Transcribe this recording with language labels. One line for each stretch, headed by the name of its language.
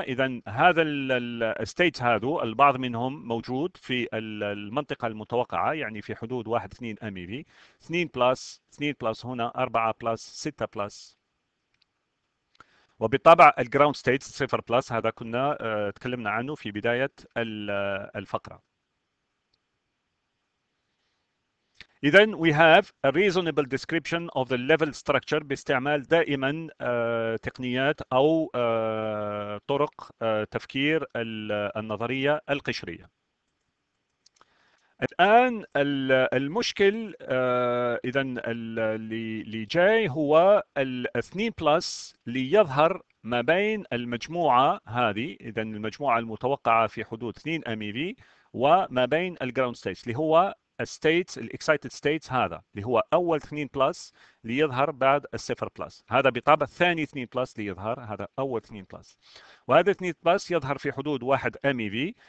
Arabic: إذا هذا الستيت هذا البعض منهم موجود في المنطقة المتوقعة، يعني في حدود 1 2 أميري، 2 بلس 2 بلس هنا 4 بلس 6 بلس، وبالطبع الجراوند ستيت 0 بلس هذا كنا تكلمنا عنه في بداية الفقرة.
English: Then we have a reasonable description of the level structure
Arabic: باستعمال دائما تقنيات أو طرق تفكير النظرية القشرية. الآن المشكل إذا اللي جاي هو الاثنين بلس ليظهر ما بين المجموعة هذه، إذا المجموعة المتوقعة في حدود 2 أميري وما بين الجراوند ستيتس اللي هو الستيتس الاكسايتد ستيتس، هذا اللي هو اول 2 بلس ليظهر بعد الصفر بلس، هذا بطابع ثاني 2 بلس ليظهر، هذا اول 2 بلس، وهذا 2 بلس يظهر في حدود 1 ام في.